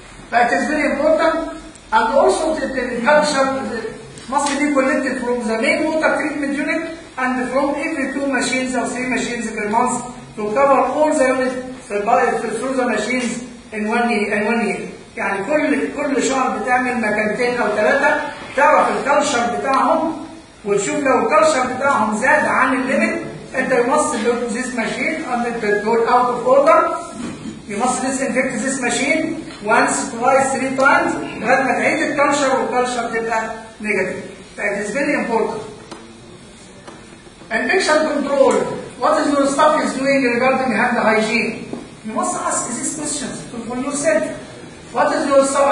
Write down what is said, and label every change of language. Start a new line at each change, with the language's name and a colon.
English: But it is very important, and also the culture must be collected from the main water treatment unit and from every two machines or three machines per month to cover all the units through the machines in one year.
Arabic: يعني كل شهر بتعمل مكانتين أو ثلاثة تعرف الكالشر بتاعهم وتشوف لو الكالشر بتاعهم زاد عن الليمت أنت
English: you must do this machine and the door out of order. You must disinfect this machine once, twice, three times
Arabic: لغاية ما تعيد الكالشر والكالشر تبقى نيجاتيف.
English: That is very important. Infection control. What is your staff is doing regarding hand hygiene? You must ask these questions for yourself. What is your staff?